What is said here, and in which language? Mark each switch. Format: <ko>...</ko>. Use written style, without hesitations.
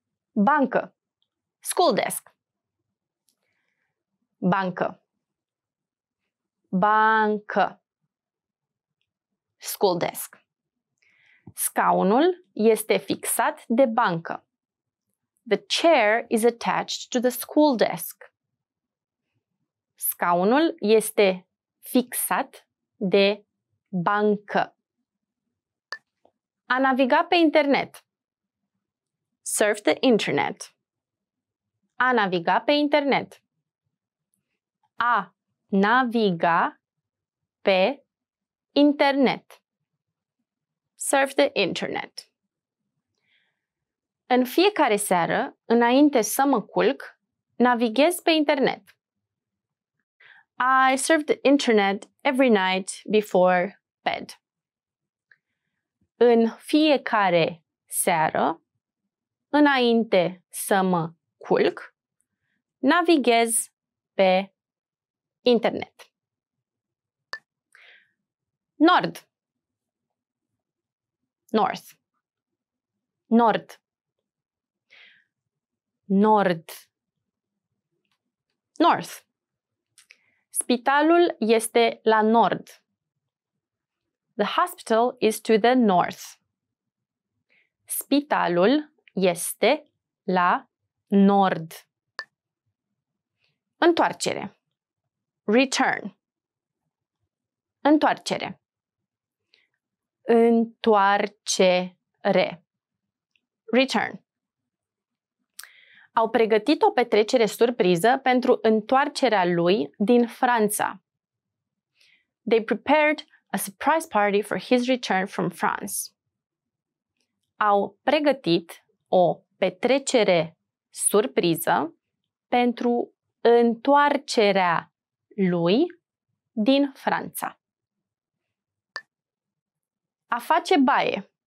<ro>Bancă.</ro> <en>School desk.</en> <ro>Bancă. Bancă.</ro> <en>School desk.</en> <ro>Scaunul este fixat de bancă.</ro> <en>The chair is attached to the school desk.</en> <ro>Scaunul este fixat de bancă. A naviga pe internet.</ro> <en>Surf the internet.</en> <ro>A naviga pe internet. A naviga pe internet.</ro> <en>Surf the internet.</en> <ro>În fiecare seară, înainte să mă culc, navighez pe internet.</ro> <en>I surf the internet every night before bed.</en> <ro>În fiecare seară, înainte să mă culc, navighez pe internet. Nord.</ro> <en>North.</en> <ro>Nord. Nord.</ro> <en>North.</en> <ro>Spitalul este la nord.</ro> <en>The hospital is to the north.</en> <ro>Spitalul este la nord. Întoarcere.</ro> <en>Return.</en> <ro>Întoarcere. Întoarcere.</ro> <en>Return.</en> <ro>Au pregătit o petrecere surpriză pentru întoarcerea lui din Franța.</ro> <en>They prepared a surprise party for his return from France.</en> <ro>Au pregătit o petrecere surpriză pentru întoarcerea lui din Franța. A face baie.</ro>